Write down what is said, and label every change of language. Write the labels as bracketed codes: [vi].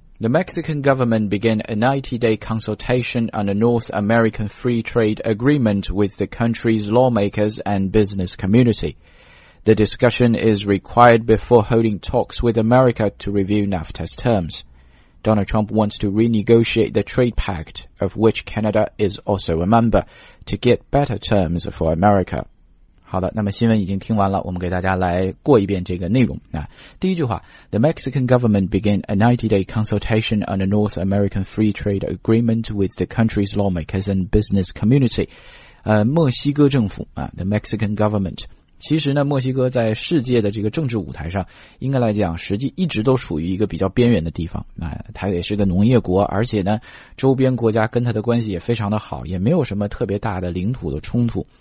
[en] The Mexican government began a 90-day consultation on a North American Free Trade Agreement with the country's lawmakers and business community. The discussion is required before holding talks with America to review NAFTA's terms. Donald Trump wants to renegotiate the trade pact, of which Canada is also a member, to get better terms for America. [zh] 好的，那么新闻已经听完了，我们给大家来过一遍这个内容。那第一句话 [en] ,The Mexican government began a 90-day consultation on a North American Free Trade Agreement with the country's lawmakers and business community. [zh] 墨西哥政府啊 , [en] The Mexican government. [zh] 其实呢墨西哥在世界的这个政治舞台上应该来讲实际一直都属于一个比较边缘的地方。啊它也是个农业国，而且呢周边国家跟它的关系也非常的好，也没有什么特别大的领土的冲突。